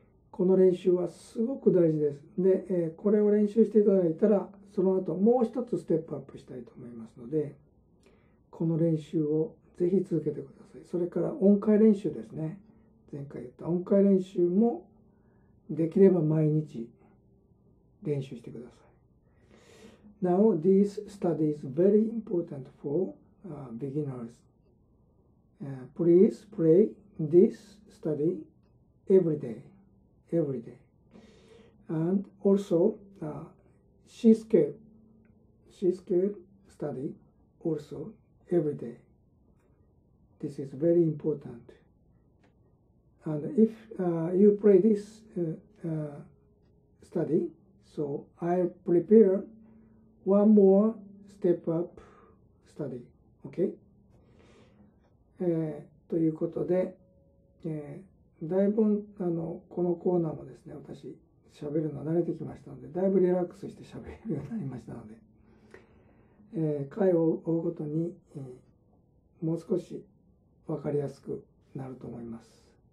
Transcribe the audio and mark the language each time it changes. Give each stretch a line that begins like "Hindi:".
Japanese: この練習はすごく大事です。で、これを練習していただいたら、その後もう一つステップアップしたいと思いますので、この練習をぜひ続けてください。それから音階練習ですね。前回言った音階練習もできれば毎日練習してください。
English: Now, this study is very important for beginners. Please play this study every day. Every day. And also, C-scale study also every day. This is very important. And if you play this study, so I prepare one more step up study, okay?
Japanese: ということで、だいぶこのコーナーもですね、私喋るの慣れてきましたので、だいぶリラックスして喋るようになりましたので、回を追うごとに、もう少し分かりやすくなると思います。